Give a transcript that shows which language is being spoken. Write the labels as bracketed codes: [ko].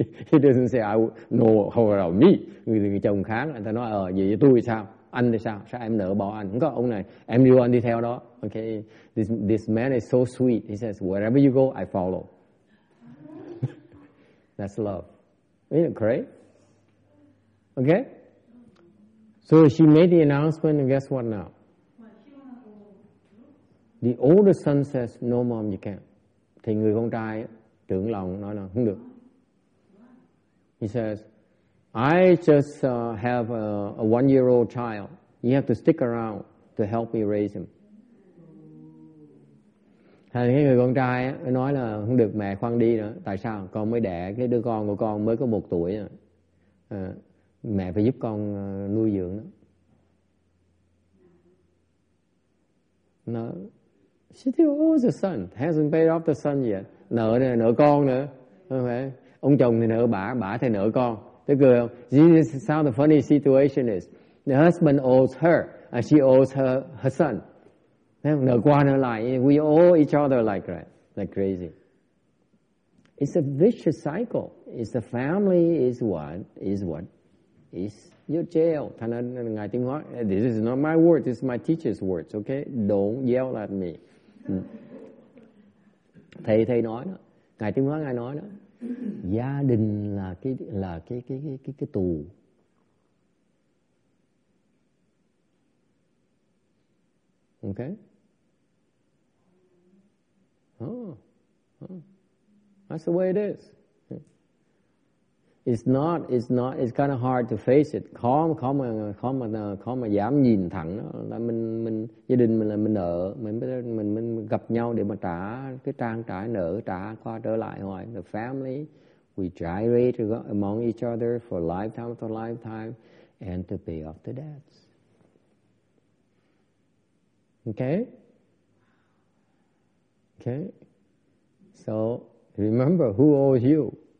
[en] He doesn't say, I will, no, how about me? [vi] Người chồng khác, người ta nói, vậy với tôi thì sao? Anh thì sao? Sao em nỡ bỏ anh? Không có, ông này, em đi đoạn đi theo đó. [en] Okay? This man is so sweet. He says, wherever you go, I follow. That's love. Isn't it great? Okay? So she made the announcement, and guess what now? The older son says, no mom, you can't. [vi] Thì người con trai trưởng lòng nói là không được. [en] He says, I just have a one-year-old child. You have to stick around to help me raise him. [vi] Thì người con trai nói là không được, mẹ khoan đi nữa. Tại sao? Con mới đẻ cái đứa con của con mới có một tuổi rồi. Mẹ phải giúp con nuôi dưỡng đó. [en] Nợ. She still owes the son. Hasn't paid off the son yet. [vi] Nợ này, nợ con nữa. Okay. Ông chồng thì nợ bà thì nợ con. Thế cười không? [en] This is how the funny situation is. The husband owes her, and she owes her son. [vi] Nợ qua nợ lại. [en] We owe each other like that. Like crazy. It's a vicious cycle. It's the family is what? Is your jail. [vi] Thành ra ngài tiếng Hoa, [en] this is not my words, this is my teacher's words, okay? Don't yell at me. [vi] Thầy nói đó, ngài tiếng Hoa ngài nói đó, gia đình là cái tù. [en] Okay? That's the way it is. It's not. It's kind of hard to face it. [vi] Khó mà dám nhìn thẳng đó. Là mình gia đình mình là mình nợ, mình gặp nhau để mà trả cái trang trải nợ trả qua trở lại hoài. [en] The family we gyrate among each other for lifetime after lifetime, and to pay off the debts. Okay. So remember who owes you.